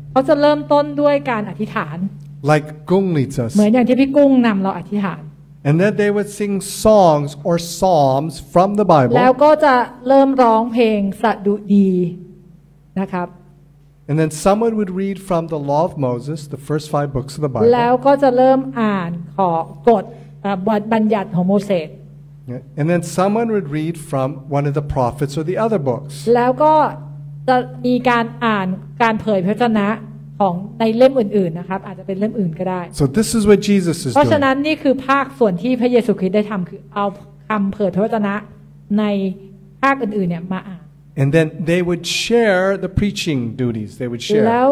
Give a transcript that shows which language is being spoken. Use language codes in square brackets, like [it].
[th] เขาจะเริ่มต้นด้วยการอธิษฐาน [en] Like Gung leads us [th] เหมือนอย่างที่พี่กุ้งนำเราอธิษฐาน [en] And then they would sing songs or psalms from the Bible. [th] แล้วก็จะเริ่มร้องเพลงสดุดีนะครับ [en] And then someone would read from the Law of Moses, the first five books of the Bible. [th] แล้วก็จะเริ่มอ่านข้อกฎบทบัญญัติของโมเสส [en] And then someone would read from one of the prophets or the other books. [th] แล้วก็จะมีการอ่านการเผยพระชนะของในเล่มอื่นๆนะครับอาจจะเป็นเล่มอื่นก็ได้ [en] So this is what Jesus is doing [th] เพราะฉะนั้นนี่คือภาคส่วนที่พระเยซูคริสต์ได้ทำคือเอาคำเผยพระวจนะในภาคอื่นๆเนี่ยมาอ่าน [en] And then they would share the preaching duties they would share